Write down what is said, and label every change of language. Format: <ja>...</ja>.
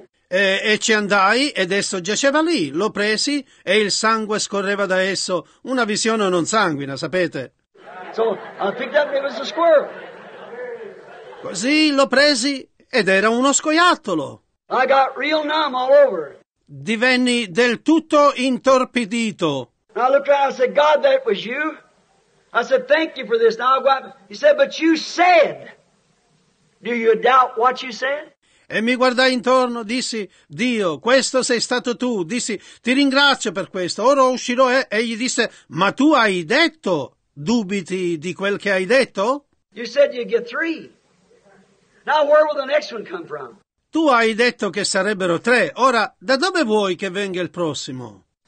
<it>E ci andai, ed esso giaceva lì, lo presi, e il sangue scorreva da esso, una visione non sanguina, sapete?</it> <en>So, I picked up, it was a squirrel.</en> <it>Così lo presi, ed era uno scoiattolo.</it> <en>I got real numb all over.</en> <it>Divenni del tutto intorpidito.</it> <en>I looked around and said, God, that was you. I said, thank you for this. Now I'll go out. He said, but you said, do you doubt what you said?</en> <it>E mi guardai intorno, dissi, Dio, questo sei stato tu. Dissi, ti ringrazio per questo. Ora uscirò e gli disse, ma tu hai detto, dubiti di quel che hai detto?</it> <en>You said you'd get three. Now where will the next one come from?</en> <it>Tu hai detto che sarebbero tre, ora da dove vuoi che venga il prossimo?</it>